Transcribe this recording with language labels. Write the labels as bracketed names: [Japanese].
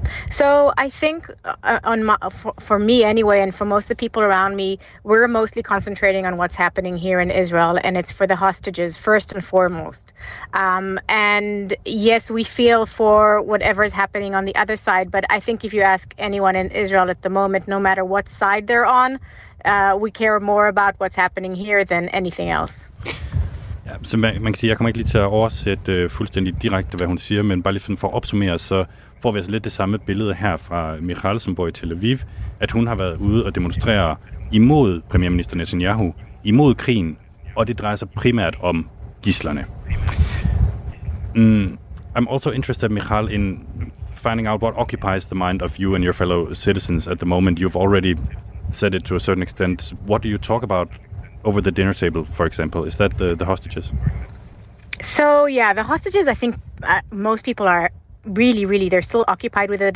[English] So I think for me anyway, and for most of the people around me, we're mostly concentrating on what's happening here in Israel, and it's for the hostages first and foremost. And yes, we feel for whatever is happening on the other side, but I think if you ask anyone in Israel at the moment, no matter what side they're on, we care more about what's happening here than anything else. [Danish] Ja, så man kan sige, jeg kommer ikke lige til at oversætte fuldstændig direkte, hvad hun siger, men bare lige for at opsummere, så får vi altså lidt det samme billede her fra Michal, som bor i Tel Aviv, at hun har været ude og demonstrere imod premierminister Netanyahu, imod krigen, og det drejer sig primært om gidslerne. [English] I'm also interested, Michal, in finding out what occupies the mind of you and your fellow citizens at the moment. You've already said it to a certain extent. What do you talk about over the dinner table, for example? Is that the hostages? So, yeah, the hostages, I think most people are really, really, they're still occupied with it.